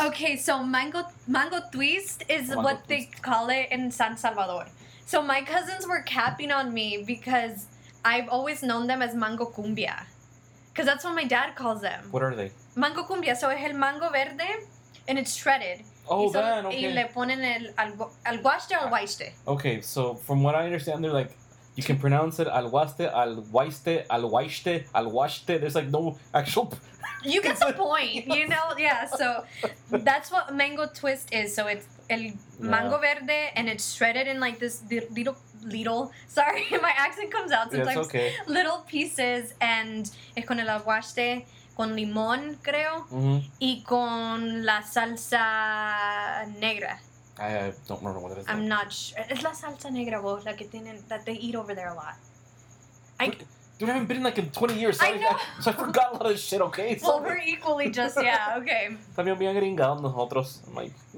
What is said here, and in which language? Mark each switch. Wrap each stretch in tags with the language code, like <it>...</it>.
<en>Okay, so mango twist is mango what twist. They call it in San Salvador. So my cousins were capping on me because I've always known them as mango cumbia. Because that's what my dad calls them. What are they? Mango cumbia. So it's</en> <es>el mango verde,</es> <en>and it's shredded. Oh, so, then, okay.</en> <es>Y le ponen el alguaste o alguaste.</es> <en>Okay, so from what I understand, they're like, you can pronounce it alguaste, alguaste, alguaste, alguaste. There's like no actual... You get the point, you know? Yeah, so that's what mango twist is. So it's</en> <es>el mango verde,</es> <en>and it's shredded in like this little... Sorry, my accent comes out sometimes. Yeah, okay. Little pieces, and</en> <es>es con el alguaste, con limón, creo, mm-hmm. y con la salsa negra.</es> <en>I don't remember what it is. I'm like. Not sure. It's</en> <es>la salsa negra, vos, la que tienen,</es> <en>that they eat over there a lot. Dude, I haven't been in like in 20 years, so I forgot a lot of shit, okay? So. Well, we're equally just, yeah, okay.</en> <es>También bien gringado nosotros, Mike.</es>